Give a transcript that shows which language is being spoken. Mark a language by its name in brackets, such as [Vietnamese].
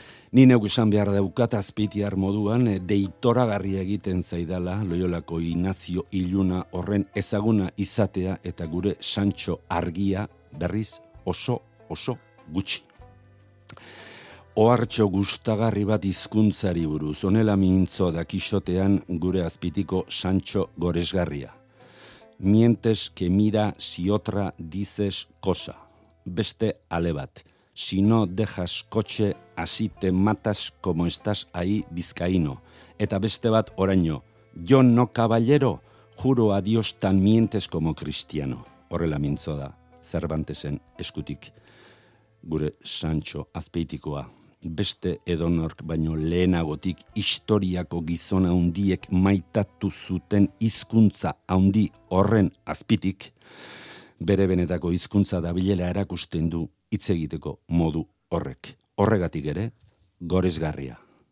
[Basque] Ni neuk esan behar daukat azpeitiar moduan deitoragarri egiten zaidala Loiolako Ignazio Iluna horren ezaguna izatea eta gure Santxo Argia berriz oso oso gutxi. Ohartxo gustagarri bat hizkuntzari buruz, honela mintzo da Kixotean gure azpitiko Santxo Goresgarria. [Spanish] Mientes que mira si otra dices cosa. [Basque] Beste ale bat. [Spanish] Si no dejas coche, así te matas como estás ahí, bizkaino. [Basque] Eta beste bat oraino. [Spanish] Yo no caballero, juro a Dios tan mientes como cristiano. [Basque] Horrela mintzo da Cervantesen eskutik. Gure Santxo azpeitikoa. Beste edonork baino lehenagotik historiako gizon handiek maitatu zuten hizkuntza handi horren azpitik, bere benetako hizkuntza dabilela erakusten du hitz egiteko modu horrek. Horregatik ere, goresgarria.